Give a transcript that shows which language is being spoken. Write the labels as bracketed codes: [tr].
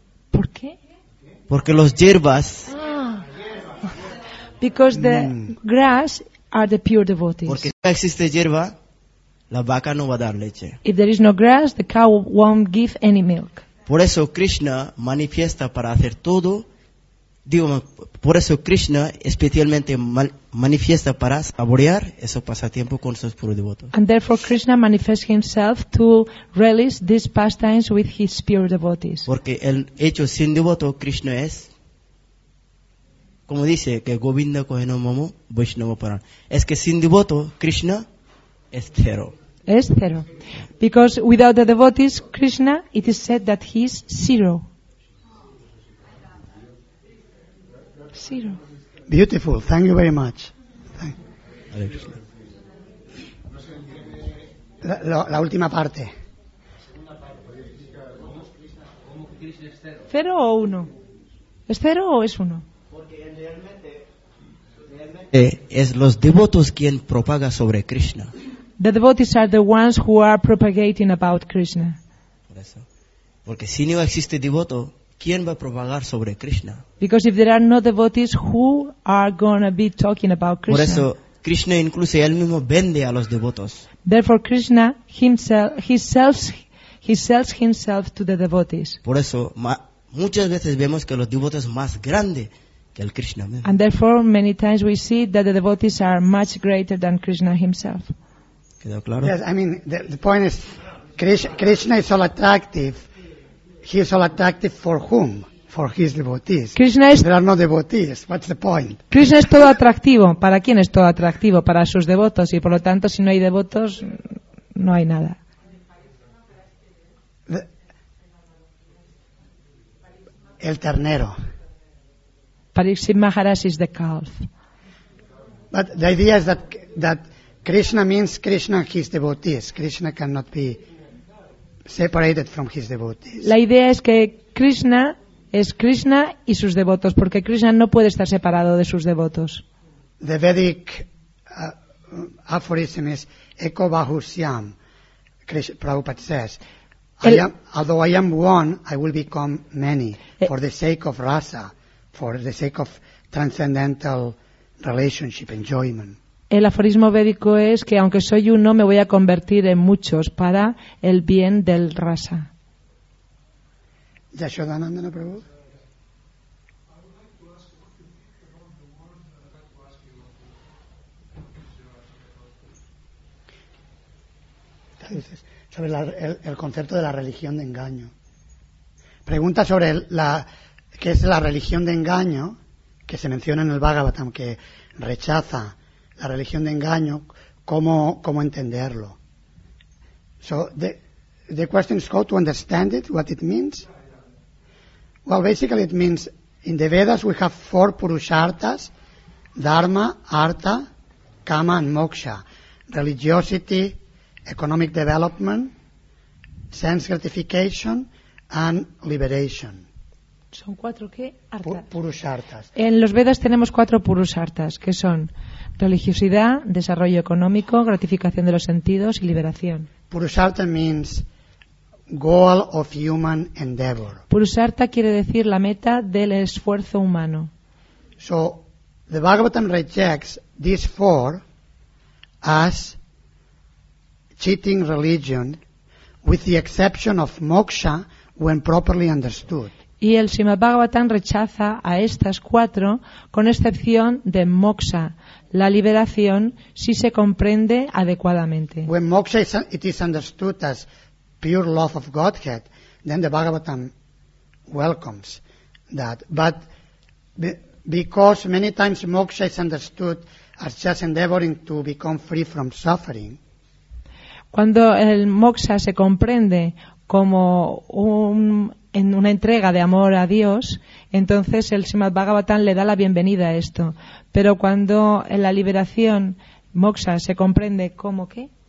[es] ¿Por qué? Porque los yerbas. [en] Because the grass are the pure devotees. [es] Porque si no existe hierba, la vaca no va a dar leche. [en] If there is no grass, the cow won't give any milk. [es] Por eso Krishna manifiesta para hacer todo. Digo, por eso Krishna especialmente manifiesta para saborear ese pasatiempo con sus puros devotos. [en] And therefore Krishna manifests himself to release these pastimes with his pure devotees. [es] Porque el hecho sin devoto Krishna es, como dice, que [bn] Govinda Koheno Momo Vaishnava Paran. [es] Es que sin devoto Krishna es cero. Es cero. [en] Because without the devotees Krishna, it is said that he is zero. Zero. Beautiful. Thank you very much. [es] La última parte. ¿Cero o uno? ¿Es cero o es uno? Porque realmente es los devotos quien propaga sobre Krishna. [en] The devotees are the ones who are propagating about Krishna. [es] Por eso. Porque si no existe devoto, ¿quién va a propagar sobre Krishna? [en] Because if there are no devotees, who are going to be talking about Krishna? [es] Por eso, Krishna incluso él mismo vende a los devotos. [en] Therefore, Krishna himself, he sells himself to the devotees. [es] Por eso, muchas veces vemos que los devotos más grandes que el Krishna mismo. [en] And therefore, many times we see that the devotees are much greater than Krishna himself. [es] ¿Quedó claro? [en] Yes, I mean, the point is, Krishna is all attractive. He is all attractive for whom? For his devotees. There are no devotees. What's the point? [es] Krishna es todo atractivo. ¿Para quién es todo atractivo? Para sus devotos. Y por lo tanto, si no hay devotos, no hay nada. El ternero. [en] Parikshit Maharaj is the calf. But the idea is that Krishna means Krishna and his devotees. Krishna cannot be separated from his devotees. [es] La idea es que Krishna es Krishna y sus devotos, porque Krishna no puede estar separado de sus devotos. [en] The Vedic aphorism is Eko Bahusyam. Prabhupada says, although I am one, I will become many for the sake of rasa, for the sake of transcendental relationship, enjoyment. [es] El aforismo védico es que aunque soy uno, me voy a convertir en muchos para el bien del rasa. ¿Yashodhananda no probó? Sobre el concepto de la religión de engaño. Pregunta sobre qué es la religión de engaño que se menciona en el Bhagavatam, que rechaza la religión de engaño, ¿cómo entenderlo? [en] So the question is how to understand it, what it means. Well, basically it means in the Vedas we have four purusharthas: dharma, artha, kama and moksha. Religiosity, economic development, sense gratification and liberation. [es] ¿Son cuatro qué? Artha. Purusharthas. En los Vedas tenemos cuatro purusharthas, que son religiosidad, desarrollo económico, gratificación de los sentidos y liberación. [en] Purusharta means goal of human endeavor. [es] Purusharta quiere decir la meta del esfuerzo humano. [en] So the Bhagavatam rejects these four as cheating religion, with the exception of moksha when properly understood. [es] Y el Srimad Bhagavatam rechaza a estas cuatro, con excepción de moksha, la liberación, si se comprende adecuadamente. [en] When moksha is, it is understood as pure love of Godhead, then the Bhagavatam welcomes that. But because many times moksha is understood as just endeavoring to become free from suffering. [es] Cuando el moksha se comprende como en una entrega de amor a Dios, entonces el Srimad Bhagavatam le da la bienvenida a esto. Pero cuando en la liberación, moksha, se comprende como ¿qué?